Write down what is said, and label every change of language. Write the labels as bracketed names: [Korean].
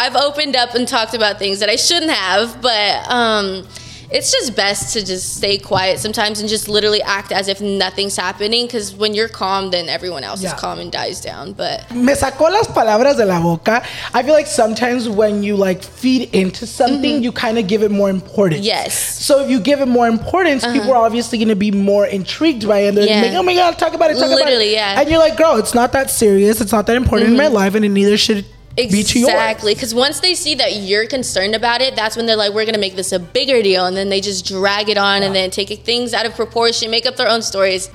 [English] I've opened up and talked about things that I shouldn't have, but it's just best to just stay quiet sometimes and just literally act as if nothing's happening, because when you're calm, then everyone else is calm and dies down. But [Spanish] me sacó las palabras de la boca. [English] I feel like sometimes when you like feed into something, you kind of give it more importance. Yes. So if you give it more importance, people are obviously going to be more intrigued by it. And they're like, oh my God, talk about it, talk literally, about it. Yeah. And you're like, girl, it's not that serious. It's not that important in my life, and it neither should exactly, because once they see that you're concerned about it, that's when they're like, we're gonna make this a bigger deal, and then they just drag it on and then take things out of proportion, make up their own stories.